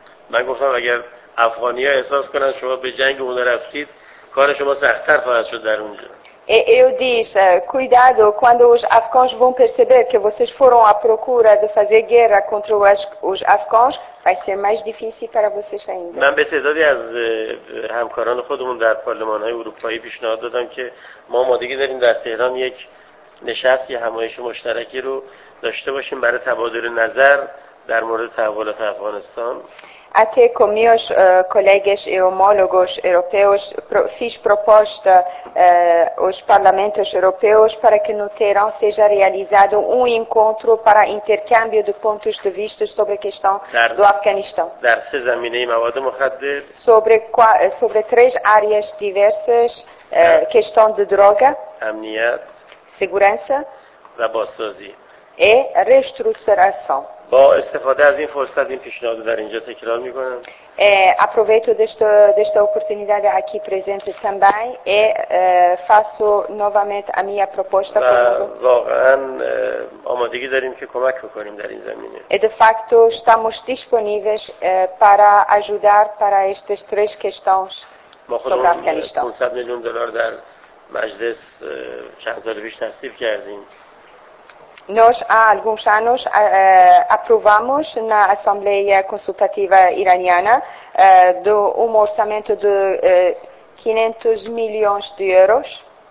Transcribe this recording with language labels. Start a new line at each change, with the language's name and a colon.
Persian: من گفتم اگر افغانی‌ها احساس کنن شما به جنگ اونا رفتید کار شما سخت‌تر خواهد شد در اونجا.
Portuguese: Eu disse, cuidado, quando os afghans vão perceber que vocês foram à procura de fazer guerra contra os afghans, vai ser mais difícil para vocês ainda.
Persian: من به تعدادی از همکاران خودمون در پارلمان‌های اروپایی پیشنهاد دادم که ما آمادگی داریم در تهران یک نشست یا همایش مشترکی رو داشته باشیم برای تبادل نظر در مورد تحولات افغانستان.
Portuguese: Até com meus colegas e homólogos europeus fiz proposta aos parlamentos europeus para que no Teherã seja realizado um encontro para intercâmbio de pontos de vista sobre a questão do Afeganistão.
Persian: در سه زمینه مواد مخدر.
Portuguese: Sobre 3 áreas diversas, questão de droga,
Persian: امنیت,
Portuguese: segurança
Persian: و بازسازی.
Portuguese: E reestruturação.
Persian: با استفاده از این فرصت این پیشنهاد در اینجا تکرار میکنم.
Portuguese: Aproveito desta oportunidade aqui presente também e faço novamente a minha proposta.
Persian: واقعا آمادگی داریم که کمک بکنیم در این زمینه.
Portuguese: E de facto estamos disponíveis para ajudar para estas 3 questões sobre Afeganistão.
Persian: ما خودمون 500 میلیون دلار در مجلس چند سال پیش تصویب کردیم.
Portuguese: Nós, há alguns anos, aprovamos na Assembleia Consultativa Iraniana um orçamento de 500 milhões de euros.